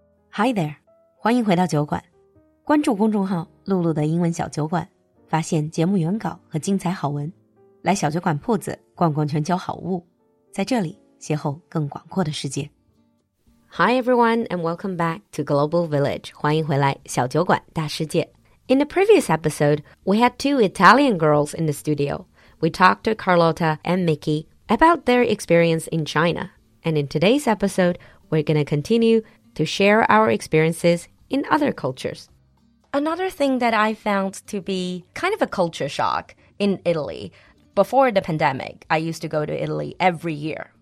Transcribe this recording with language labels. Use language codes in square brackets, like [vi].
[zh] Hi there, 欢迎回到酒馆。关注公众号露露的英文小酒馆，发现节目原稿和精彩好文，来小酒馆铺子逛逛全球好物，在这里邂逅更广阔的世界。 [en] Hi everyone, and welcome back to Global Village. [zh] 欢迎回来小酒馆大世界。 [en] In the previous episode, we had two Italian girls in the studio. We talked to Carlotta and Mickey about their experience in China. And in today's episode, we're going to continue to share our experiences in other cultures. Another thing that I found to be kind of a culture shock in Italy, before the pandemic, I used to go to Italy every year.